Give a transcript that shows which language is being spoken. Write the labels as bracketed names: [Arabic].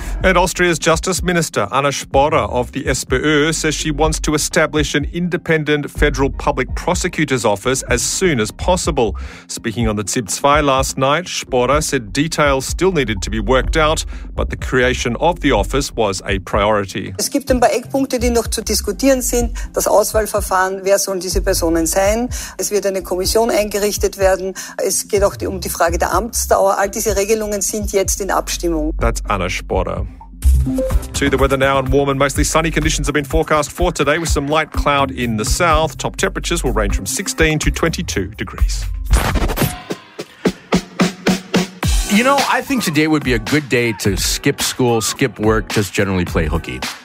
[English] And Austria's Justice Minister, Anna Sporer of the SPÖ, says she wants to establish an independent federal public prosecutor's office as soon as possible. Speaking on the ZIB 2 last night, Sporer said details still needed to be worked out, but the creation of the office was a priority. [German] Es gibt ein paar Eckpunkte, die noch zu diskutieren sind. Das Auswahlverfahren, wer sollen diese Personen sein? Es wird eine Kommission eingerichtet werden. Es geht auch um die Frage der Amtsdauer. All diese Regelungen sind jetzt in Abstimmung. [English] That's Anna Sporer. To the weather now, and warm and mostly sunny conditions have been forecast for today with some light cloud in the south. Top temperatures will range from 16 to 22 degrees. You know, I think today would be a good day to skip school, skip work, just generally play hooky.